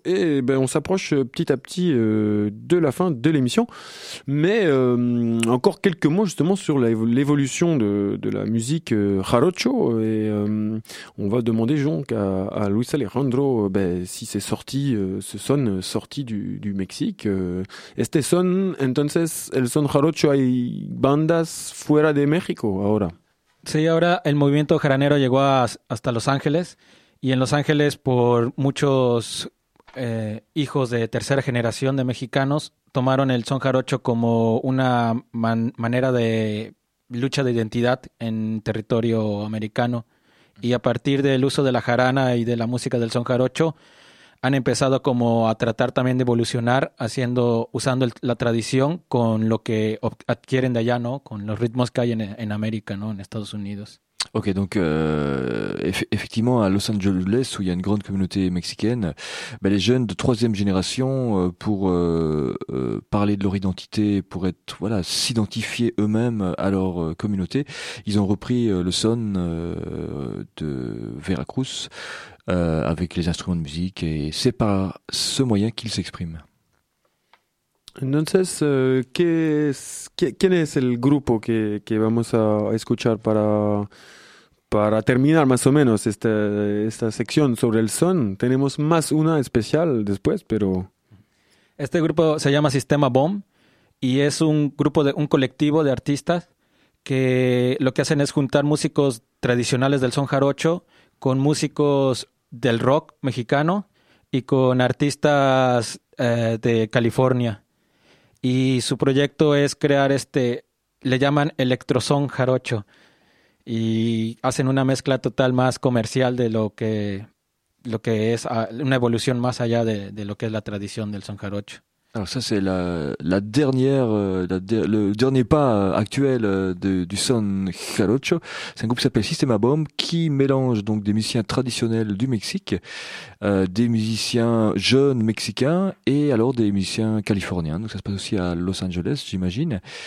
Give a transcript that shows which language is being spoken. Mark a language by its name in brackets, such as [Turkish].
[French] Et ben, on s'approche petit à petit de la fin de l'émission, mais encore quelques mots justement sur l'évolution de la musique jarocho, et on va demander donc à Luis Alejandro si c'est sorti ce son sorti du Mexique. [Spanish] Este son entonces, el son jarocho, hay bandas fuera de México ahora. Sí, ahora el movimiento jaranero llegó hasta Los Ángeles, y en Los Ángeles, por muchos hijos de tercera generación de mexicanos, tomaron el son jarocho como una manera de lucha de identidad en territorio americano. Y a partir del uso de la jarana y de la música del son jarocho, han empezado como a tratar también de evolucionar usando la tradición con lo que adquieren de allá, ¿no? Con los ritmos que hay en América, ¿no? En Estados Unidos. [French] Ok, donc effectivement, à Los Angeles, où il y a une grande communauté mexicaine, les jeunes de troisième génération, pour parler de leur identité, pour être voilà s'identifier eux-mêmes à leur communauté, ils ont repris le son de Veracruz avec les instruments de musique, et c'est par ce moyen qu'ils s'expriment. [Spanish] Entonces, ¿quién es el grupo que vamos a escuchar para terminar más o menos esta sección sobre el son? Tenemos más una especial después, pero... Este grupo se llama Sistema Bomb, y es un grupo, un colectivo de artistas que lo que hacen es juntar músicos tradicionales del son jarocho con músicos del rock mexicano y con artistas de California. Y su proyecto es crear le llaman Electrosón Jarocho, y hacen una mezcla total más comercial de lo que es una evolución más allá de lo que es la tradición del son jarocho. [French] Alors ça, c'est le dernier pas actuel du son jarocho. C'est un groupe qui s'appelle Sistema Bomb, qui mélange donc des musiciens traditionnels du Mexique, des musiciens jeunes mexicains, et alors des musiciens californiens. Donc ça se passe aussi à Los Angeles, j'imagine.